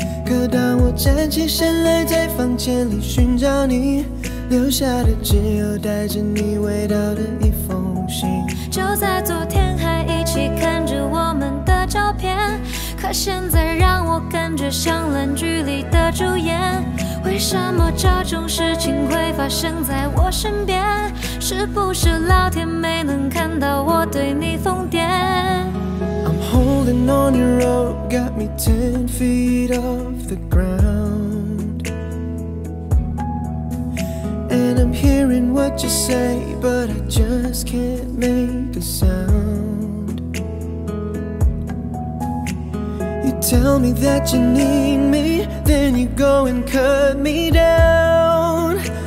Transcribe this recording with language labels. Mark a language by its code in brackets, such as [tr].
[zh] 可当我站起身来在房间里寻找你，留下的只有带着你味道的一封信。就在昨天还一起看着我们的照片，可现在让我感觉像烂剧里的主演。为什么这种事情会发生在我身边？是不是老天没能看到我对你疯癫？ [en] I'm holding on your rope, got me 10 feet off the ground. And I'm hearing what you say, but I just can't make a sound. You tell me that you need me, then you go and cut me down.